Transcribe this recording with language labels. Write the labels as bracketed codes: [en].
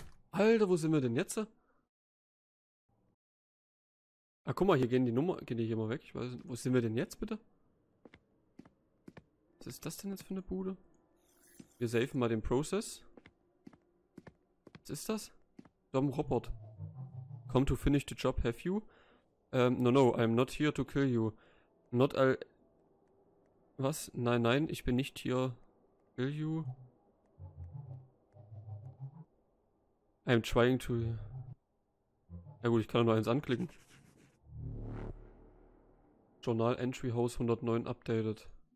[de] Alter, wo sind wir denn jetzt? Ah, guck mal, hier gehen die Nummer, gehen die hier mal weg. Ich weiß nicht, wo sind wir denn jetzt, bitte? Was ist das denn jetzt für eine Bude? Wir safen mal den Prozess. Was ist das? Dom Robert. [en] Come to finish the job, have you? No, I'm not here to kill you. Not I'll... Was? [de] Nein, nein, ich bin nicht hier... [en] Kill you? I'm trying to... [de] Ja gut, ich kann nur eins anklicken. [en] Journal Entry House 109 updated.